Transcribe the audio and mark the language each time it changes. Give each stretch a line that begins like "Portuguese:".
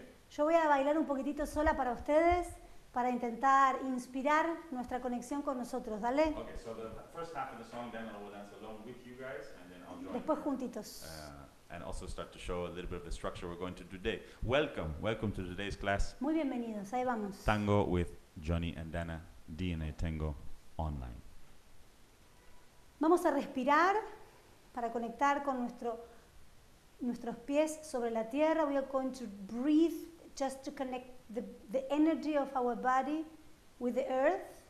Spanish: Yo voy a bailar un poquitito sola para ustedes, para intentar inspirar nuestra conexión con nosotros, ¿dale?
English: Okay, so the first half of the song, then I will dance along with you guys, and then I'll join.
Spanish: Después juntitos.
English: And also start to show a little bit of the structure we're going to do today. Welcome, welcome to today's class.
Spanish: Muy bienvenidos, ahí vamos.
English: Tango with Johnny and Dana, DNA Tango Online.
Spanish: Vamos a respirar para conectar con nuestros pies sobre la tierra.
English: We are going to breathe just to connect the energy of our body with the earth.